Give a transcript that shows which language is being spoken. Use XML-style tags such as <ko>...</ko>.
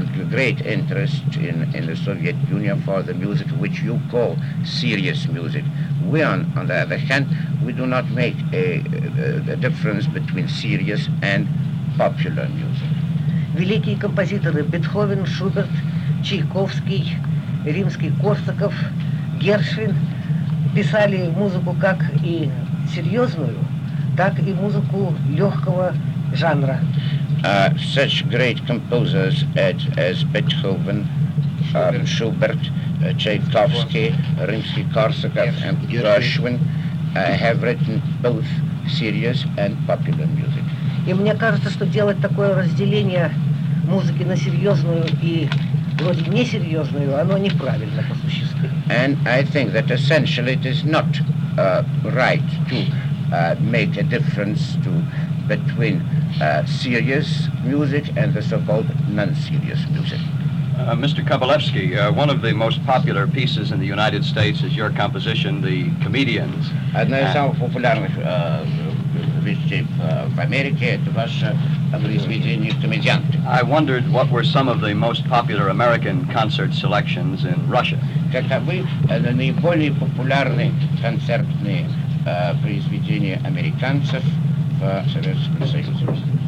<en>Great interest in the Soviet Union for the music which you call serious music. We, on the other hand, we do not make a difference between serious and popular music.</en> <ru>Великие композиторы Бетховен, Шуберт, Чайковский, Римский-Корсаков, Гершвин писали музыку как и серьезную, так и музыку легкого жанра.</ru> <en>Such great composers as Beethoven, Schubert, Tchaikovsky, Rimsky-Korsakov and Gershwin have written both serious and popular music.</en> <ru>И мне кажется, что делать такое разделение музыки на серьезную и вроде несерьезную, оно неправильно по существу.</ru> <en>And I think that essentially it is not right to make a difference to between serious music and the so-called non-serious music. Mr. Kovalevsky, one of the most popular pieces in the United States is your composition, The Comedians.</en> <ru>Одна из самых популярных вещей в Америке – это ваше произведение «Комедианты».</ru> <en>I wondered what were some of the most popular American concert selections in Russia.</en> <ru>Каковы наиболее популярные концертные произведения американцев в Советском Союзе?</ru>